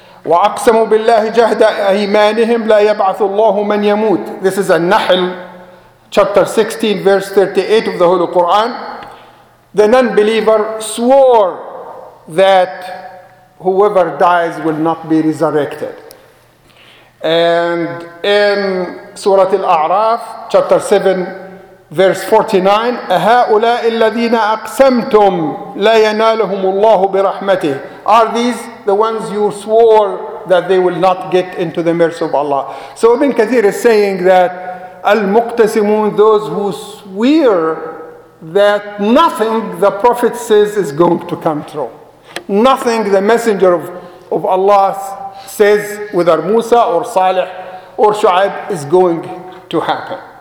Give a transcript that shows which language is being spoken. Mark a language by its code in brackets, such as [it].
[ar] وأقسموا بالله جهد أيمانهم لا يبعث الله من يموت. [en] This is An-Nahl chapter 16, verse 38 of the Holy Quran. The non-believer swore that whoever dies will not be resurrected. And in Surah Al-A'raf, chapter 7, verse 49, [ar] أَهَؤُلَاءِ الَّذِينَ أَقْسَمْتُمْ لَا يَنَالَهُمُ اللَّهُ بِرَحْمَتِهِ. [en] Are these the ones you swore that they will not get into the mercy of Allah? So Ibn Kathir is saying that Al-Muqtasimun, those who swear that nothing the Prophet says is going to come true. Nothing the Messenger of Allah says, whether Musa or Salih or Shu'aib, is going to happen.